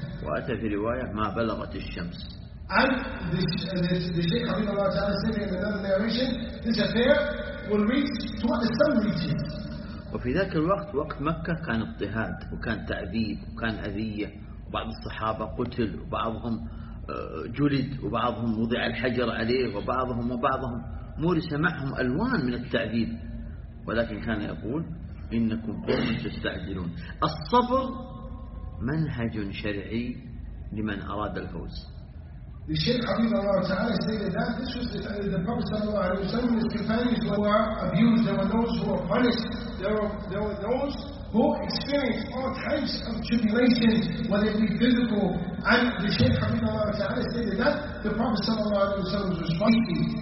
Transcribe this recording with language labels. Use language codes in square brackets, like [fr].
[ar] وأتى في رواية ما بلغت الشمس. [en] And the Shaykh رحمه الله تعالى stated in another narration, this affair will reach to what the sun reaches. [ar] وفي ذاك الوقت وقت مكة كان اضطهاد وكان تعذيب وكان أذية وبعض الصحابة قتل وبعضهم جلد وبعضهم وضع الحجر عليه وبعضهم مورس معهم ألوان من التعذيب ولكن كان يقول إنكم قوم تستعجلون الصبر منهج شرعي لمن أراد الفوز. [en] The Shaykh Habibullah Allah Ta'ala stated that this was the Prophet Sallallahu Alaihi Wasallam, his companions who were abused, there were those who were punished, there were those who experienced all types of tribulations, whether it be physical. And the Shaykh Habibullah Allah Ta'ala stated that the Prophet Sallallahu Alaihi Wasallam was responsible.